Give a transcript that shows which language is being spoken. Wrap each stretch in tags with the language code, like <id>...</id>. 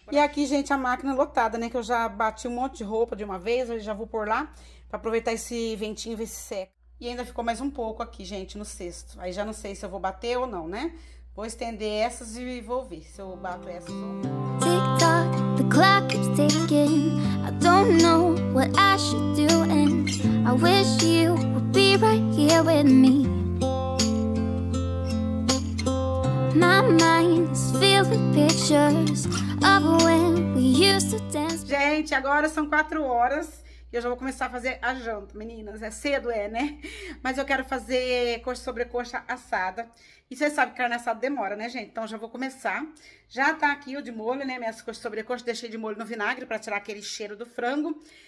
<pt>E aqui, gente, a máquina lotada, né, que eu já bati um monte de roupa de uma vez, eu já vou pôr lá pra aproveitar esse ventinho e ver se seca. E ainda ficou mais um pouco aqui, gente, no cesto. Aí já não sei se eu vou bater ou não, né? Vou estender essas e vou ver se eu bato essas ou não.</pt> <en>Clock keeps ticking. I don't know what I should do, and I wish you would be right here with me. My mind is filled with pictures of when we used to dance.</en> <pt>Gente, agora são 4 horas e eu já vou começar a fazer a janta. Meninas, é cedo, é, né? Mas eu quero fazer coxa sobre coxa assada. E vocês sabem que carne assada demora, né, gente? Então, já vou começar. Já tá aqui o de molho, né? Minhas coxas sobrecoxas, deixei de molho no vinagre pra tirar aquele cheiro do frango.</pt>